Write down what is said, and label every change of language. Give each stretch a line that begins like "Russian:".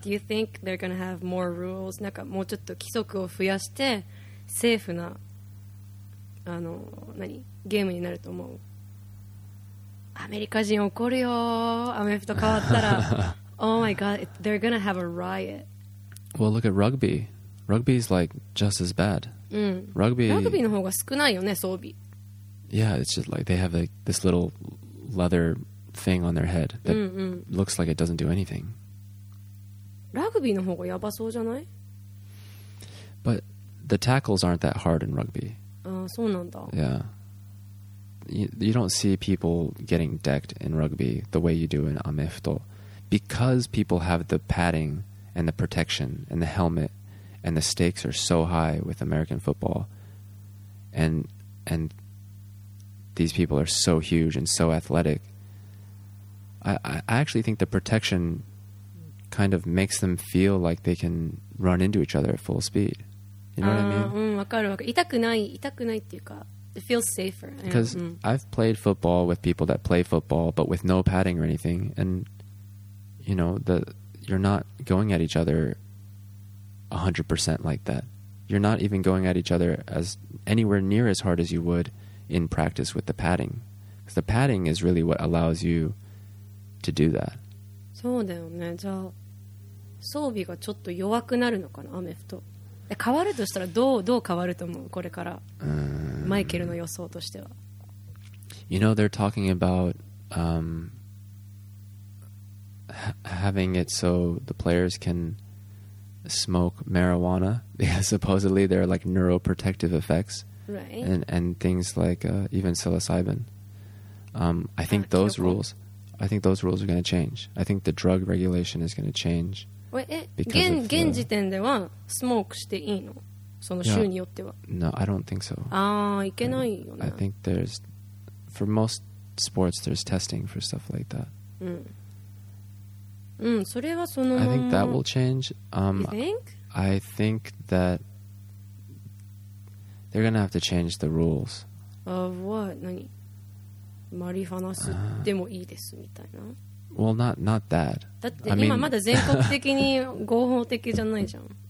English: Do you think they're going to have more rules?
Japanese: なんかもうちょっと規則を増やして、セーフな、あの、何?ゲームになると思う。アメリカ人怒るよ、アメフト変わったら。
English: Oh my God, they're going to have a riot. Well, look at rugby. Rugby is like just as bad.
Japanese: Rugby の方が少ないよね、装備。
English: Yeah, it's just like they have like this little leather thing on their head that looks like it doesn't do anything.
Japanese: ラグビーの方がやばそうじゃない?
English: But the tackles aren't that hard in rugby.
Japanese: ああ、そうなんだ。
English: Yeah. You don't see people getting decked in rugby the way you do in アメフト. Because people have the padding and the protection and the helmet, and the stakes are so high with American football, and these people are so huge and so athletic. I actually think the protection kind of makes them feel like they can run into each other at full speed. You know what I mean? It feels safer. Because I've played football with people that play football, but with no padding or anything, and you know, you're not going at each other 100% like that. You're not even going at each other as anywhere near as hard as you would in practice with the padding. Because the padding is really what allows you to do that.
Japanese: そうだよね。じゃあ装備がちょっと弱くなるのかな、アメフト。変わるとしたらどう変わると思う、これから。マイケルの予想としては。
English: You know, they're talking about having it so the players can smoke marijuana, because supposedly there are like neuroprotective effects, right? And things like even psilocybin. I think those rules are going to change. I think the drug regulation is going to change.
Japanese: Wait, 現時点ではスモークしていいの?その州によっては?
English: No, I don't think so.
Japanese: いけないよね。
English: I think there's, for most sports, there's testing for stuff like that.
Japanese: それはそのまま。
English: I think that will change. You think? I think that they're gonna have to change the rules. Of what?
Japanese: 何? マリファナ吸ってもいいですみたいな。
English: Well, not that.
Japanese: だって今まだ全国的に合法的じゃないじゃん。